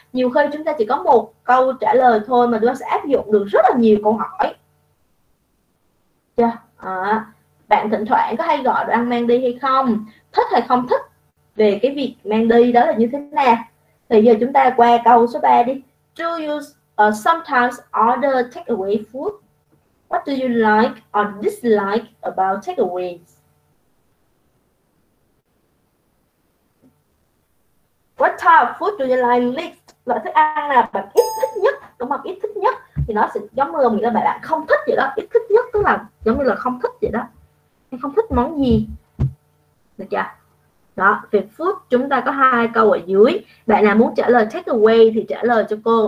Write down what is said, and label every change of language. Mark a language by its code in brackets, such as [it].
[vi] Nhiều khi chúng ta chỉ có một câu trả lời thôi mà chúng ta sẽ áp dụng được rất là nhiều câu hỏi. Chưa? Yeah. À. Bạn thỉnh thoảng có hay gọi đồ ăn mang đi hay không? Thích hay không thích về cái việc mang đi đó là như thế nào? Thì giờ chúng ta qua câu số 3 đi. [en] Do you sometimes order takeaway food? What do you like or dislike about takeaways? What type of food do you like least? [vi] Loại thức ăn nào bạn ít thích nhất? Đúng không? Ít thích nhất thì nó sẽ giống như là nghĩa là bạn không thích vậy đó. Ít thích nhất tức là giống như là không thích vậy đó. Em không thích món gì, được chưa? Đó, về food chúng ta có hai câu ở dưới. Bạn nào muốn trả lời take away thì trả lời cho cô.